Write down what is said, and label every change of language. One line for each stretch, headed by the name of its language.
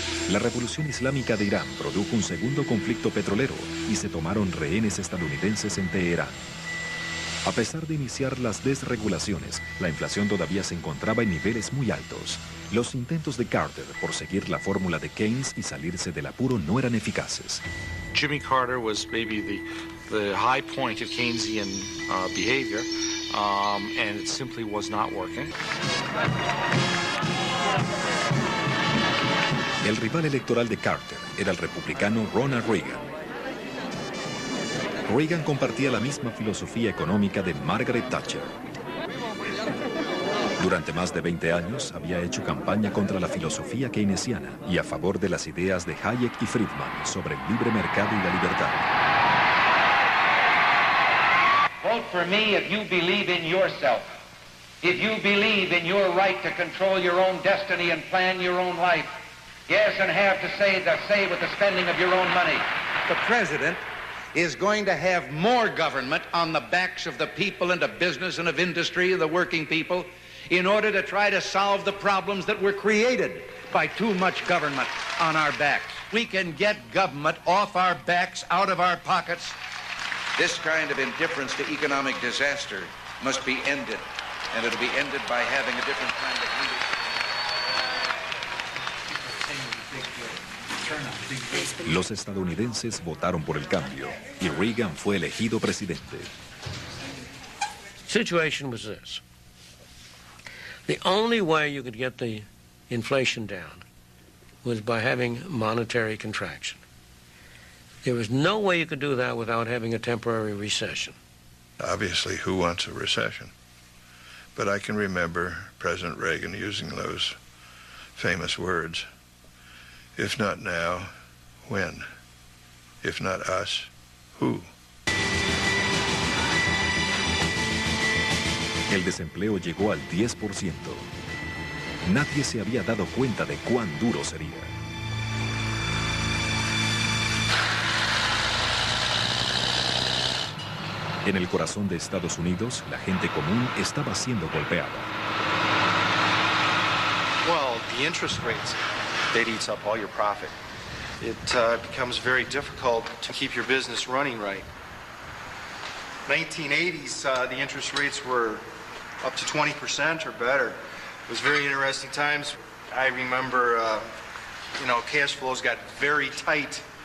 Spanish: La Revolución Islámica de Irán produjo un segundo conflicto petrolero y se tomaron rehenes estadounidenses en Teherán. A pesar de iniciar las desregulaciones, la inflación todavía se encontraba en niveles muy altos. Los intentos de Carter por seguir la fórmula de Keynes y salirse del apuro no eran eficaces.
English: Jimmy Carter was maybe the high point of Keynesian behavior, and it simply was not working.
Spanish: El rival electoral de Carter era el republicano Ronald Reagan. Reagan compartía la misma filosofía económica de Margaret Thatcher. Durante más de 20 años había hecho campaña contra la filosofía keynesiana y a favor de las ideas de Hayek y Friedman sobre el libre mercado y la libertad.
English: Vote for me if you believe in yourself. If you believe in your right to control your own destiny and plan your own life. Yes, and have to say the say with the spending of your own money. The president is going to have more government on the backs of the people and of business and of industry and the working people in order to try to solve the problems that were created by too much government on our backs. We can get government off our backs, out of our pockets. This kind of indifference to economic disaster must be ended, and it'll be ended by having a different kind of leadership.
Spanish: Los estadounidenses votaron por el cambio y Reagan fue elegido presidente.
English: Situation was this. The only way you could get the inflation down was by having monetary contraction. There was no way you could do that without having a temporary recession. Obviously, who wants a recession? But I can remember President Reagan using those famous words. If not now, when? If not us, who?
Spanish: El desempleo llegó al 10%. Nadie se había dado cuenta de cuán duro sería. En el corazón de Estados Unidos, la gente común estaba siendo golpeada.
English: Well, the interest rates, that eats up all your profit. It becomes very difficult to keep your business running right. 1980s, the interest rates were up to 20% or better. It was very interesting times. I remember, cash flows got very tight.